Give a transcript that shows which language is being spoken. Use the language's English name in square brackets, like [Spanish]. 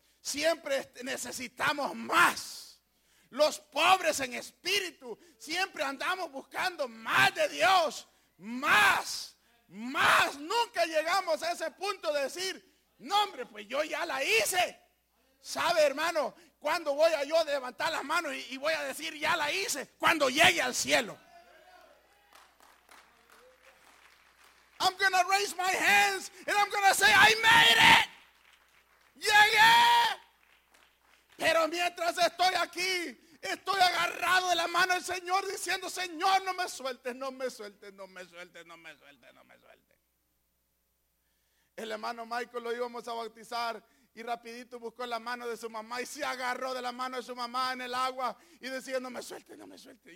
[Spanish] Siempre necesitamos más. Los pobres en espíritu siempre andamos buscando más de Dios. Más, más. Nunca llegamos a ese punto de decir, no hombre, pues yo ya la hice. ¿Sabe, hermano? ¿Cuándo voy a yo levantar las manos y voy a decir ya la hice? Cuando llegue al cielo. [English] I'm going to raise my hands and I'm going to say I made it. [Spanish] Llegué. Pero mientras estoy aquí, estoy agarrado de la mano del Señor diciendo, Señor, no me sueltes, no me sueltes, no me sueltes, no me sueltes, no me sueltes. El hermano Michael lo íbamos a bautizar. Y rapidito buscó la mano de su mamá y se agarró de la mano de su mamá en el agua y decía, no me suelte, no me suelte.